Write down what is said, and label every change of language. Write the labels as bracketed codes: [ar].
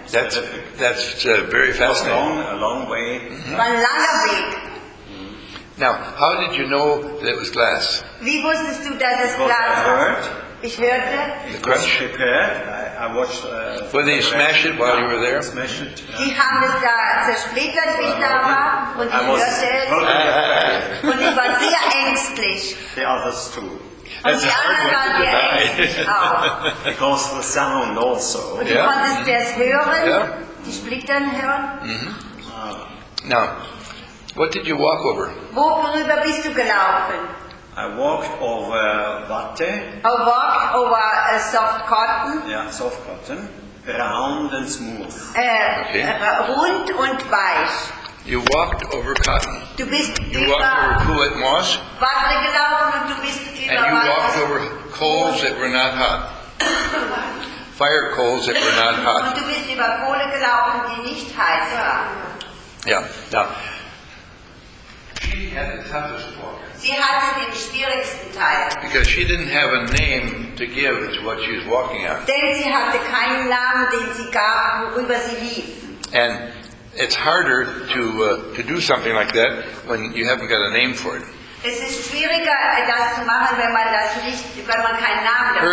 [en] That's very fascinating. A long way. Mm-hmm. A long way. Now, how did you know that it was glass? [de] Wie wusstest du, dass es Glas war? [en] I heard. [de] Ich hörte. [en] The crunch. I watched. Were they smash it while you were there? Smash it. [de] Die haben es da zersplittert, wie ich da war, und ich hörte es. Und ich war sehr ängstlich. [en] The others too. [de] That's und die anderen waren ängstlich auch. [en] Because the sound also. [de] Und du konntest es hören, die Splittern hören. [en] Mm-hmm. Now. What did you walk over? [de] Worüber bist du gelaufen? [en] I walked over Watte. I walked over a soft cotton. Yeah, soft cotton. Round and smooth. [de] Rund und weich. [en] You walked over cotton. [de] Du bist [en] you walked over Kuwait moss. [de] Watte gelaufen und du bist über [en] and you walked over coals that were not hot. Fire coals that were not hot. [de] Und du bist über Kohle gelaufen, die nicht heiß war. [en] Yeah, now. She had the toughest walk. [de] Sie hatte den schwierigsten Teil. [en] Because she didn't have a name to give to what she was walking on. [de] Denn sie hatte keinen Namen, den sie gab, worüber sie lief. [en] And it's harder to do something like that when you haven't got a name for it. [de] Es ist schwieriger, das zu machen, wenn man das nicht, wenn man keinen Namen dafür